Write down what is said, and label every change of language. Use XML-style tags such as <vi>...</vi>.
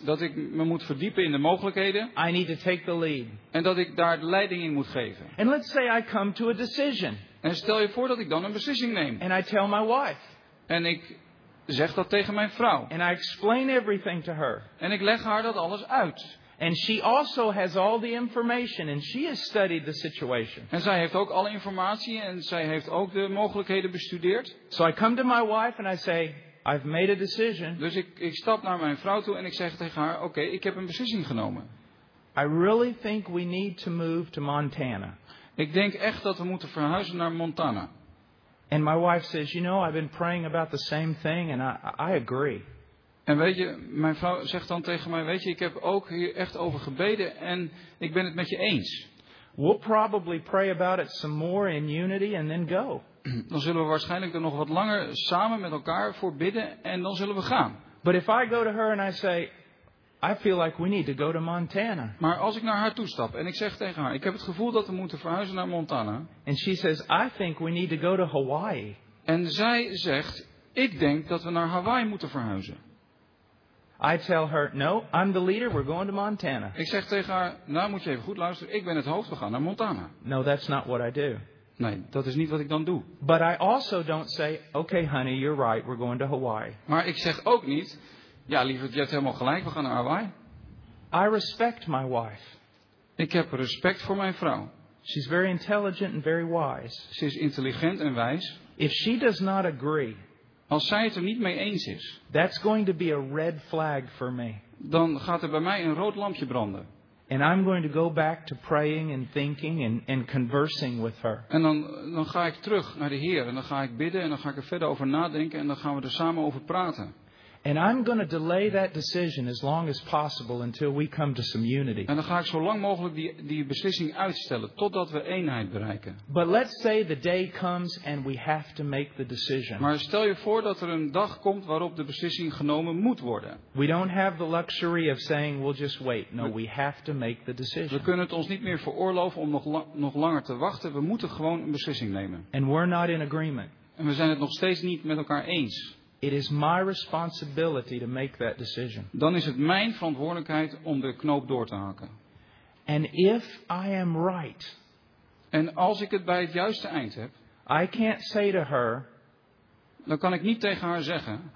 <nl>Dat ik me moet verdiepen in de mogelijkheden.</nl> <en>I need to take the lead.</en> <nl>En dat ik daar de leiding in moet geven.</nl> <en>And let's say I come to a decision.</en> <nl>En stel je voor dat ik dan een beslissing neem.</nl> <en>And I tell my wife.</en> <nl>En ik zeg dat tegen mijn vrouw.</nl> <en>And I explain everything to her.</en> <nl>En ik leg haar dat alles uit.</nl> <en>And she also has all the information and she has studied the situation.</en> <nl>En zij heeft ook alle informatie en zij heeft ook de mogelijkheden bestudeerd.</nl> <en>So I come to my wife and I say, I've made a decision.</en> <nl>Dus ik stap naar mijn vrouw toe en ik zeg tegen haar, oké, ik heb een beslissing genomen.</nl> <en>I really think we need to move to Montana.</en> <nl>Ik denk echt dat we moeten verhuizen naar Montana.</nl> <en>And my wife says, you know, I've been praying about the same thing and I agree.</en> <nl>En weet je, mijn vrouw zegt dan tegen mij, weet je, ik heb ook hier echt over gebeden en ik ben het met je eens.</nl> <en>We'll probably pray about it some more in unity and then go.</en> <nl>Dan zullen we waarschijnlijk er nog wat langer samen met elkaar voor bidden en dan zullen we gaan.</nl> <en>But if I go to her and I say, I feel like we need to go to Montana.</en> <nl>Maar als ik naar haar toe stap en ik zeg tegen haar, ik heb het gevoel dat we moeten verhuizen naar Montana.</nl> <en>And she says, I think we need to go to Hawaii.</en> <nl>En zij zegt, ik denk dat we naar Hawaii moeten verhuizen.</nl> <en>I tell her, no, I'm the leader, we're going to Montana.</en> <nl>Ik zeg tegen haar, nou moet je even goed luisteren, ik ben het hoofd, we gaan naar Montana.</nl> <en>No, that's not what I do.</en> <nl>Nee, dat is niet wat ik dan doe.</nl> <en>But I also don't say, okay honey, you're right, we're going to Hawaii.</en> <nl>Maar ik zeg ook niet, ja lieverd, je hebt helemaal gelijk, we gaan naar Hawaii.</nl> <en>I respect my wife.</en> <nl>Ik heb respect voor mijn vrouw.</nl> <en>She's very intelligent and very wise.</en> <nl>Ze is intelligent en wijs.</nl> <en>If she does not agree.</en> <nl>Als zij het er niet mee eens is.</nl> <en>That's going to be a red flag for me.</en> <nl>Dan gaat er bij mij een rood lampje branden.</nl> <en>And I'm going to go back to praying and thinking and conversing with her.</en> <nl>En dan ga ik terug naar de Heer en dan ga ik bidden en dan ga ik er verder over nadenken en dan gaan we er samen over praten.</nl> <en>And I'm going to delay that decision as long as possible until we come to some unity.</en> <nl>En dan ga ik zo lang mogelijk die beslissing uitstellen totdat we eenheid bereiken.</nl> <en>But let's say the day comes and we have to make the decision.</en> <nl>Maar stel je voor dat er een dag komt waarop de beslissing genomen moet worden.</nl> <en>We don't have the luxury of saying we'll just wait. No, we have to make the decision.</en> <nl>We kunnen het ons niet meer veroorloven om nog langer te wachten. We moeten gewoon een beslissing nemen.</nl> <en>And we're not in agreement.</en> <nl>En we zijn het nog steeds niet met elkaar eens.</nl> <en>It is my responsibility to make that decision.</en> <nl>Dan is het mijn verantwoordelijkheid om de knoop door te hakken.</nl> <en>And if I am right.</en> <nl>En als ik het bij het juiste eind heb.</nl> <en>I can't say to her.</en> <nl>Dan kan ik niet tegen haar zeggen.</nl>